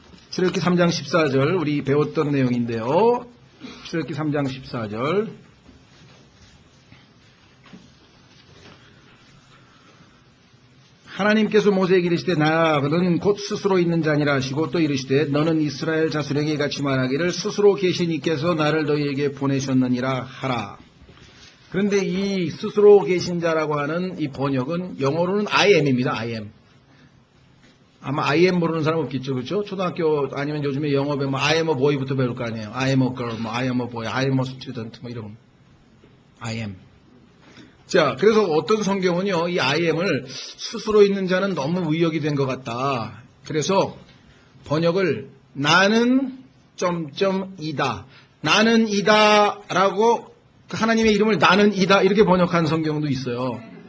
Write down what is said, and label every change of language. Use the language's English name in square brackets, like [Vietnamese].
[Korean] 출애굽기 3장 14절 우리 배웠던 내용인데요. 출애굽기 3장 14절 하나님께서 모세에게 이르시되 나는 곧 스스로 있는 자니라 하시고 또 이르시되 너는 이스라엘 자손에게 같이 말하기를 스스로 계신 이께서 나를 너희에게 보내셨느니라 하라. 그런데 이 스스로 계신 자라고 하는 이 번역은 영어로는 I am입니다. [English] I am. [Korean] 아마 I am 모르는 사람 없겠죠. 그렇죠? 초등학교 아니면 요즘에 영어 배우면 [English] I am a boy [Korean] 부터 배울 거 아니에요. [English] I am a girl, I am a boy, I am a student [Korean] 뭐 이런 [English] I am. [Korean] 자, 그래서 어떤 성경은요. 이 I am을 스스로 있는 자는 너무 의역이 된 것 같다. 그래서 번역을 나는 점점이다. 나는 이다라고 하나님의 이름을 나는 이다 이렇게 번역한 성경도 있어요.